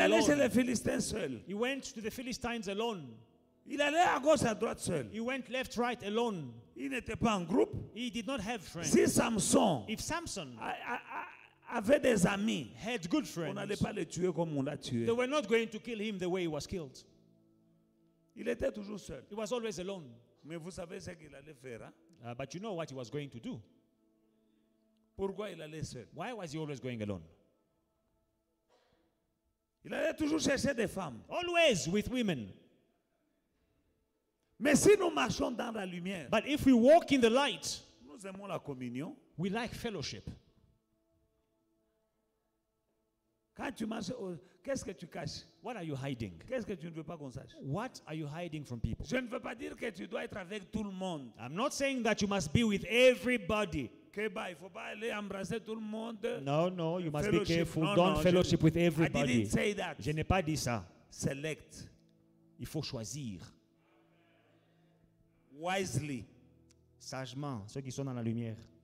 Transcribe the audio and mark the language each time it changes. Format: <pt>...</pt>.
<fr>Il allait chez les Philistins seul.</fr> <en>He went to the Philistines alone.</en> <fr>Il allait à gauche à droite seul.</fr> <en>He went left right alone.</en> <fr>Il n'était pas en groupe.</fr> <en>He did not have friends.</en> <fr>Si Samson,</fr> <en>if Samson,</en> <fr>avait des amis,</fr> <en>had good friends,</en> <fr>on n'allait pas le tuer comme on l'a tué.</fr> <en>They were not going to kill him the way he was killed.</en> <fr>Il était toujours seul.</fr> <en>He was always alone.</en> <fr>Mais vous savez ce qu'il allait faire, hein?</fr> <en>But you know what he was going to do.</en> <fr>Pourquoi il allait seul?</fr> <en>Why was he always going alone?</en> <fr>Il allait toujours chercher des femmes.</fr> <en>Always with women.</en> <fr>Mais si nous marchons dans la lumière,</fr> <en>but if we walk in the light,</en> <fr>nous aimons la communion.</fr> <en>We like fellowship.</en> <fr>Quand tu marches, qu'est-ce que tu caches?</fr> <en>What are you hiding?</en> <fr>Qu'est-ce que tu ne veux pas qu'on sache?</fr> <en>What are you hiding from people?</en> <fr>Je ne veux pas dire que tu dois être avec tout le monde.</fr> <en>I'm not saying that you must be with everybody.</en> <fr>Okay, il faut pas aller embrasser tout le monde.</fr> <en>No, no, you fellowship. Must be careful. No, don't no, fellowship with everybody. I didn't say that.</en> <fr>Je n'ai pas dit ça.</fr> <en>Select.</en> <fr>Il faut choisir.</fr> <en>Wisely.</en> <fr>Sagement, ceux qui sont dans la lumière.</fr>